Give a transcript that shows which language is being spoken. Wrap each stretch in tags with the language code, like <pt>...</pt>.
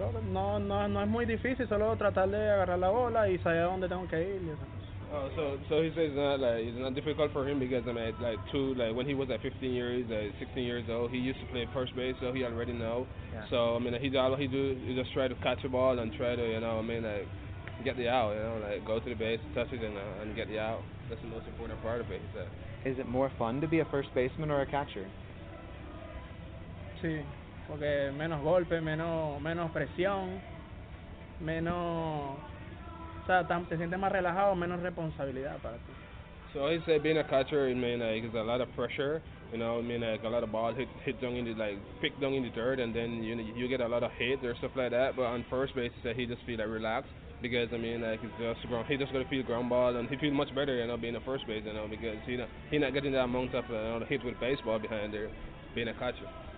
<es>No es muy difícil, solo tratar de agarrar la bola y saber dónde tengo que ir.</es> <en>So he says it's not difficult for him because when he was at 15 years, 16 years old, he used to play first base, so he already know. Yeah. So I mean, he just try to catch a ball and try to get the out, go to the base, touch it and get the out. That's the most important part of it, he said. Is it more fun to be a first baseman or a catcher?</en> <es>Sí. Porque menos golpe, menos presión, te sientes más relajado, menos responsabilidad para ti.</es> <en>So I say being a catcher, it's a lot of pressure, a lot of ball hit down in the picked down in the dirt, and then you get a lot of hit or stuff like that. But on first base, he just feel relaxed because he's just gonna feel ground ball and he feel much better, being a first base, because he not getting that amount of hit with baseball behind there, being a catcher.</en>